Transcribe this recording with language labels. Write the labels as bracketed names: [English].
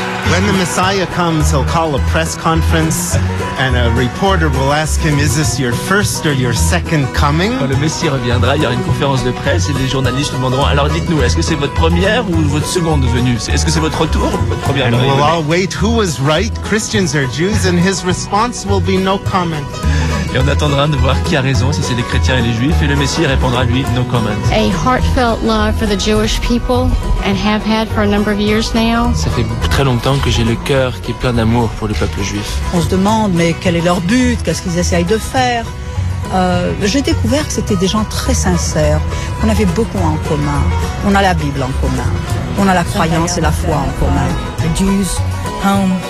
[English] When the Messiah comes, he'll call a press conference and a reporter will ask him, is this your first or your second coming? [French] Quand le Messie reviendra, il y aura une conférence de presse et les journalistes nous demanderont, alors dites-nous, est-ce que c'est votre première ou votre seconde venue? Est-ce que c'est votre retour ou votre première venue? [English] And we'll all wait, who was right, Christians or Jews? And his response will be no comment. [French] Et on attendra de voir qui a raison, si c'est les chrétiens et les juifs, et le Messie répondra lui, [English] no comment. A heartfelt love for the Jewish people and have had for a number of years now. [French] Ça fait très longtemps que j'ai le cœur qui est plein d'amour pour le peuple juif. On se demande, mais quel est leur but? Qu'est-ce qu'ils essayent de faire? J'ai découvert que c'était des gens très sincères. On avait beaucoup en commun. On a la Bible en commun. On a la croyance et la foi en commun.